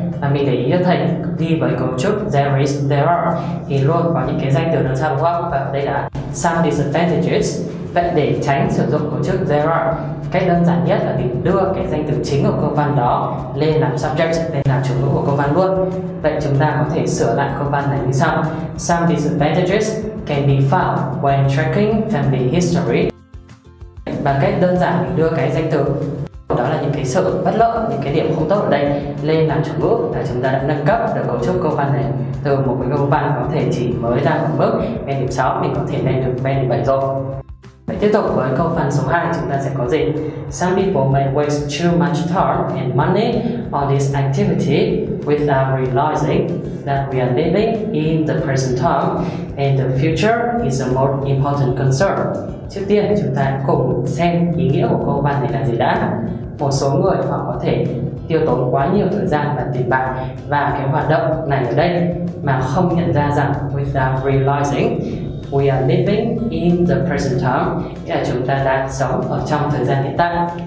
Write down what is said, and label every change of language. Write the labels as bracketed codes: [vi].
[vi] Và mình để ý cho thầy đi với cấu trúc [en] there is, there are [vi] thì luôn có những cái danh từ đằng sau đúng không? Và đây là [en] some disadvantages. [vi] Vậy để tránh sử dụng cấu trúc [en] there are, [vi] cách đơn giản nhất là mình đưa cái danh từ chính của câu văn đó lên làm subject, lên làm chủ ngữ của câu văn luôn. Vậy chúng ta có thể sửa lại câu văn này như sau. [en] Some disadvantages can be found when tracking family history. [vi] Và cách đơn giản mình đưa cái danh từ đó là những cái sự bất lợi, những cái điểm không tốt ở đây lên làm chủ ngữ là chúng ta đã nâng cấp được cấu trúc câu văn này từ một cái câu văn có thể chỉ mới đang ở mức bên điểm 6, mình có thể lên được bên điểm 7 rồi. Vậy tiếp tục với câu phần số 2 chúng ta sẽ có gì? [en] Some people may waste too much time and money on this activity without realizing that we are living in the present time and the future is a more important concern. [vi] Trước tiên chúng ta cùng xem ý nghĩa của câu văn này là gì đã. Một số người họ có thể tiêu tốn quá nhiều thời gian và tiền bạc vào cái hoạt động này ở đây mà không nhận ra rằng [en] without realizing we are living in the present time, [vi] nghĩa là chúng ta đang sống ở trong thời gian hiện tại.